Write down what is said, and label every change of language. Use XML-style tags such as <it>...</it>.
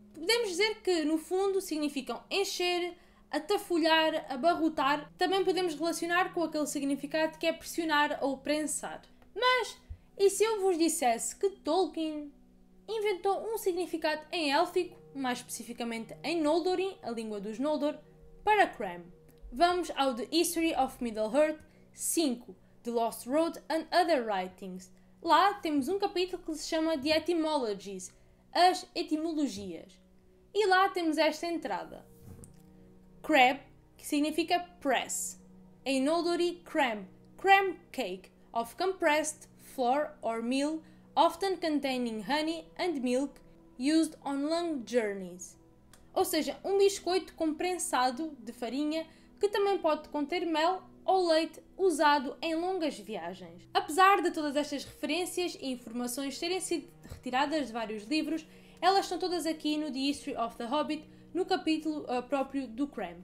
<pt>Podemos dizer que, no fundo, significam encher, atafolhar, abarrotar. Também podemos relacionar com aquele significado que é pressionar ou prensar. Mas, e se eu vos dissesse que Tolkien inventou um significado em élfico, mais especificamente em Noldorin, a língua dos Noldor, para cram? Vamos ao The History of Middle-earth 5, The Lost Road and Other Writings. Lá temos um capítulo que se chama The Etymologies, as etimologias. E lá temos esta entrada. Crab, que significa press.</pt> <en>Em Noldori, cram, cram cake, of compressed flour or meal, often containing honey and milk, used on long journeys.</en> <pt>Ou seja, um biscoito comprensado de farinha que também pode conter mel ou leite usado em longas viagens. Apesar de todas estas referências e informações terem sido retiradas de vários livros, elas estão todas aqui no The History of the Hobbit, no capítulo próprio do cram.</pt>